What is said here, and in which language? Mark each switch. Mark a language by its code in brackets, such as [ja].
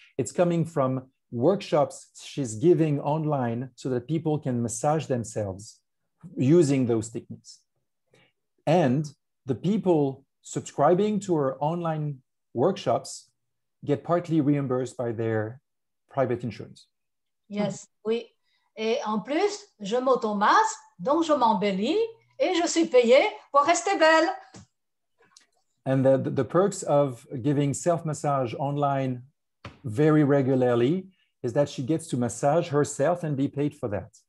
[en] It's coming from workshops she's giving online so that people can massage themselves using those techniques. And the people subscribing to her online workshops get partly reimbursed by their private insurance. Yes, oui. [fr] Et en plus, je m'automasse, donc je m'embellis et je suis payée pour rester belle. [en] And the perks of giving self-massage online very regularly is that she gets to massage herself and be paid for that.